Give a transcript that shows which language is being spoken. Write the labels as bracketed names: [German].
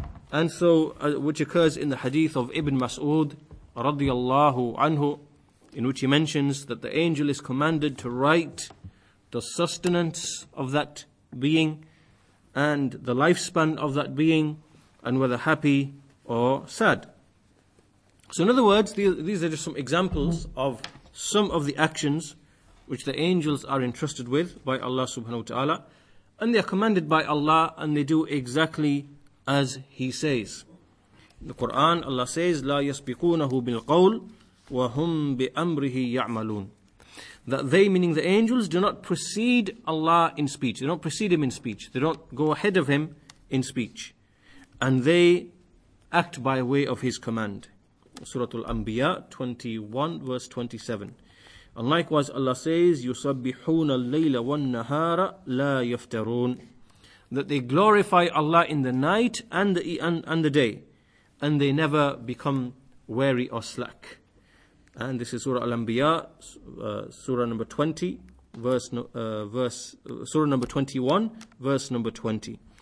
[English] And so, which occurs in the hadith of Ibn Mas'ud, radiyallahu anhu, in which he mentions that the angel is commanded to write the sustenance of that being and the lifespan of that being, and whether happy or sad. So in other words, these are just some examples of some of the actions which the angels are entrusted with by Allah subhanahu wa ta'ala, and they are commanded by Allah, and they do exactly as He says. In the Quran, Allah says, [Arabic] لَا يَسْبِقُونَهُ بِالْقَوْلِ وَهُمْ بِأَمْرِهِ يَعْمَلُونَ. [English] That they, meaning the angels, do not precede Allah in speech. They don't precede Him in speech. They don't go ahead of Him in speech. And they act by way of His command. Surah Al-Anbiya 21 verse 27. And likewise Allah says, [Arabic] يُصَبِّحُونَ اللَّيْلَ وَالنَّهَارَ لَا يَفْتَرُونَ. [English] That they glorify Allah in the night and the day. And they never become weary or slack. And this is Surah Al-Anbiya, Surah number 21, verse number 20.